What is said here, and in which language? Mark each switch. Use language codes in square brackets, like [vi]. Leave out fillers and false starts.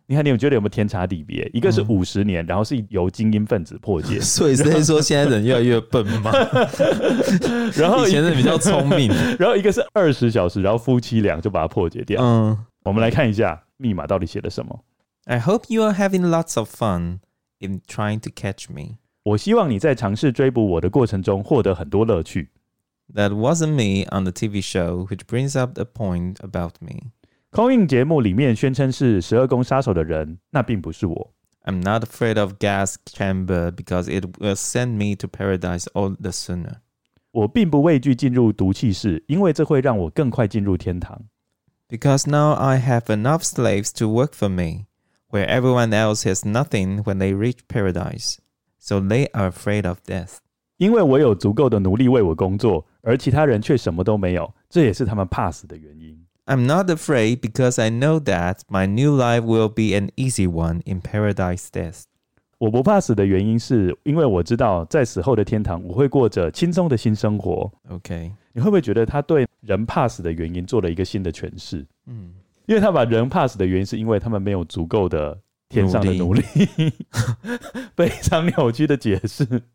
[zh] 你看，你们觉得有没有天差地别？一个是50年，然后是由精英分子破解，所以是说现在人越来越笨吗？然后以前人比较聪明，然后一个是20小时，然后夫妻俩就把它破解掉。嗯，我们来看一下密码到底写了什么。 [en] I hope you are having lots of fun in trying to catch me。 [zh] 我希望你在尝试追捕我的过程中获得很多乐趣。 [en] That wasn't me on the TV show, which brings up a point about me。 [zh] Calling 节目里面宣称是十二宫杀手的人，那并不是我。 [en] I'm not afraid of gas chamber because it will send me to paradise all the sooner。 [zh] 我并不畏惧进入毒气室，因为这会让我更快进入天堂。 [en] Because now I have enough slaves to work for me, where everyone else has nothing when they reach paradise. So they are afraid of death. [zh] 因为我有足够的奴隶为我工作，而其他人却什么都没有，这也是他们怕死的原因。 [en] I'm not afraid because I know that my new life will be an easy one in paradise death. [zh] 我不怕死的原因是因为我知道在死后的天堂我会过着轻松的新生活。 OK，你会不会觉得他对人怕死的原因做了一个新的诠释？嗯，因为他把人怕死的原因是因为他们没有足够的天上的奴隶，非常扭曲的解释。